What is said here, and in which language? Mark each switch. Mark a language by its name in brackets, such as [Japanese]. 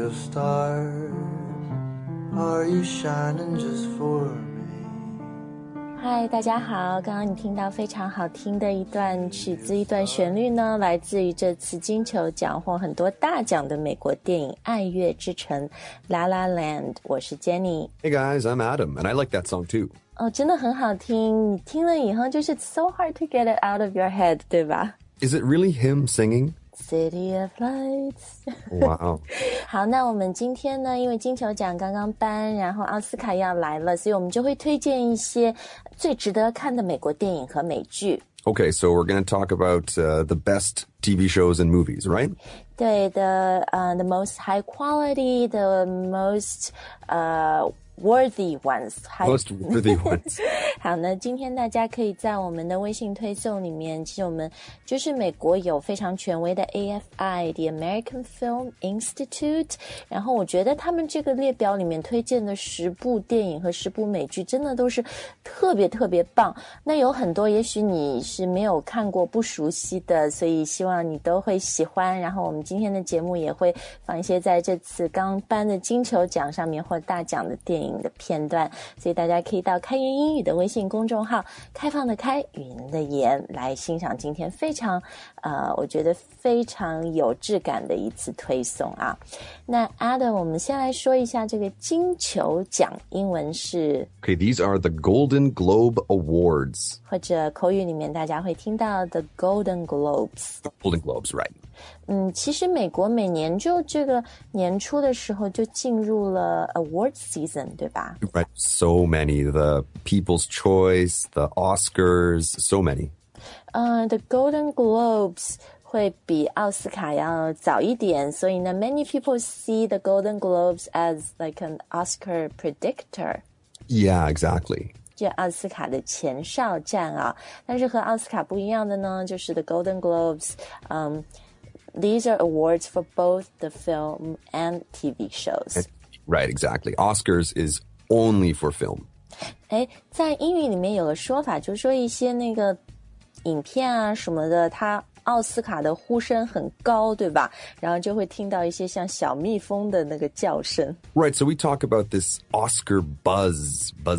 [English] stars are you shining just for me? [Chinese] 嗨，大家好，刚刚你听到非常好听的一段曲子，一段旋律呢，来自于这次金球奖获很多大奖的美国电影《爱乐之城》La La Land。我是 Jenny。 [English] Hey guys, I'm Adam, and I like that song too. [Chinese] 哦，真的很好听，你听了以后就是 [English] so hard to get it out of your head, [Chinese] 对吧？ [English] Is it really him singing? City of Lights. Wow. [Chinese] 好，那我们今天呢，因为金球奖刚刚颁，然后奥斯卡要来了，所以我们就会推荐一些最值得看的美国电影和美剧。 [English] Okay, so we're going to talk about the best TV shows and movies, right? 对的，the most high quality, the most... worthy ones. Most worthy ones. [Chinese] 好，那今天大家可以在我们的微信推送里面，其实我们就是美国有非常权威的 AFI, The American Film Institute, 然后我觉得他们这个列表里面推荐的十部电影和十部美剧真的都是特别特别棒，那有很多也许你是没有看过不熟悉的，所以希望你都会喜欢，然后我们今天的节目也会放一些在这次刚颁的金球奖上面获大奖的电影的片段，所以大家可以到开言英语的微信公众号，开放的开，云的言，来欣赏今天非常我觉得非常有质感的一次推送啊。那 Adam, 我们先来说一下这个金球奖，英文是 [English] Okay, these are the Golden Globe Awards, [Chinese] 或者口语里面大家会听到 the Golden Globes. [English] The Golden Globes, right. [Chinese] 其实美国每年就这个年初的时候就进入了 awards season, 对吧 [English] Right, so many, the People's Choice, the Oscars, so many. The Golden Globes [Chinese] 会比奥斯卡要早一点，所以呢 [English] many people see the Golden Globes as like an Oscar predictor. Yeah, exactly. [Chinese] 就奥斯卡的前哨战啊，但是和奥斯卡不一样的呢，就是 [English] the Golden Globes, these are awards for both the film and TV shows. Right, exactly. Oscars is only for film. [Chinese] 哎，在英语里面有个说法，就是说一些那个影片啊什么的，它奥斯卡的呼声很高，对吧？然后就会听到一些像小蜜蜂的那个叫声。 [English] Right, so we talk about this Oscar buzz.